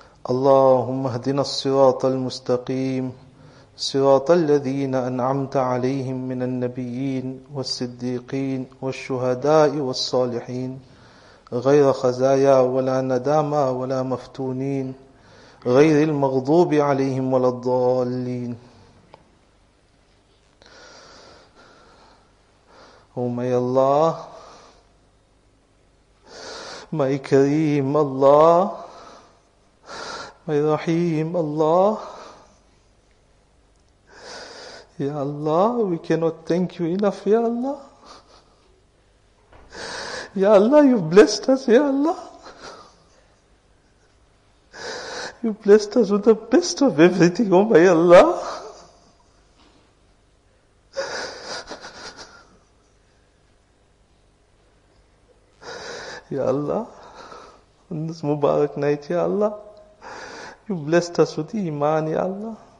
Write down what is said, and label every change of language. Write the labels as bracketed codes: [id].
[ar] اللهم اهدنا الصراط المستقيم صراط الذين أنعمت عليهم من النبيين والصديقين والشهداء والصالحين غير خزايا ولا ندامى ولا مفتونين غير المغضوب عليهم ولا الضالين. أمي الله مي كريم الله مي رحيم الله. [en] يا الله we cannot thank you enough. يا الله يا الله you blessed us. يا الله you blessed us with the best of everything. Oh my Allah. Ya Allah, on this Mubarak night, Ya Allah, you blessed us with Iman, Ya Allah.